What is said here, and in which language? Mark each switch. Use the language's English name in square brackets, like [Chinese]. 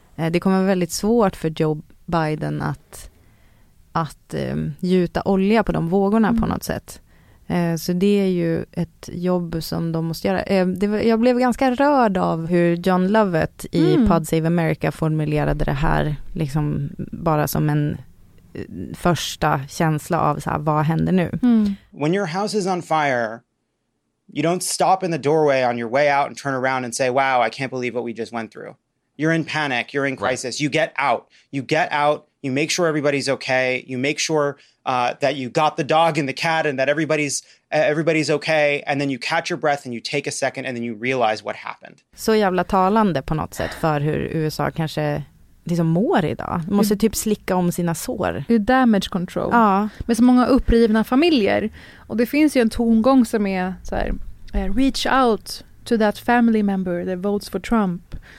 [Swedish] Det kommer vara väldigt svårt för Joe Biden att gjuta olja på de vågorna på något sätt. Så det är ju ett jobb som de måste göra. Jag blev ganska rörd av hur John Lovett i Pod Save America formulerade det här liksom bara som en första känsla av så här, vad händer nu? Mm. [English] When your house is on fire, you don't stop in the doorway on your way out and turn around and say, wow, I can't believe what we just went through. You're in panic. You're in crisis. Right. You get out. You get out. You make sure everybody's okay. You make sure that you got the dog and the cat and that everybody's okay. And then you catch your breath and you take a second and then you realize what happened. [Swedish] Så jävla talande på något sätt för hur USA kanske liksom mår idag. De måste typ slicka om sina sår. Det är damage control. Ja. Med så många upprivna familjer. Och det finns ju en tongång som är så här, [English] reach out to that family member that votes for Trump.